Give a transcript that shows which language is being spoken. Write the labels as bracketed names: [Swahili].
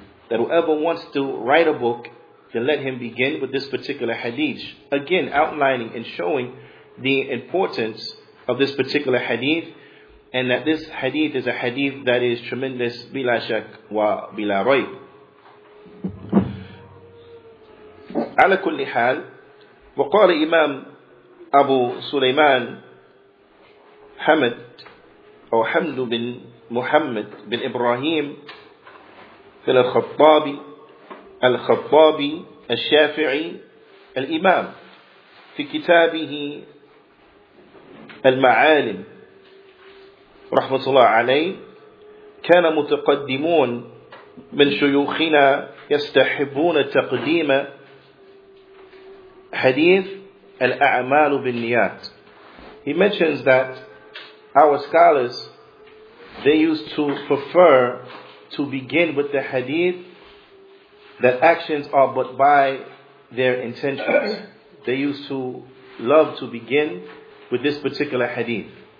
[English] That whoever wants to write a book, then let him begin with this particular hadith. Again, outlining and showing the importance of this particular hadith, and that this hadith is a hadith that is tremendous, bila shak wa bila rayb. [Arabic] على كل حال وقال إمام أبو سليمان حمد أو حمد بن محمد بن إبراهيم في الخطابي الشافعي الإمام في كتابه المعالم رحمة الله عليه كان متقدمون من شيوخنا يستحبون تقديم Hadith al-A'mal bin-Niyat. [English] He mentions that our scholars, they used to prefer to begin with the hadith that actions are but by their intentions. They used to love to begin with this particular hadith.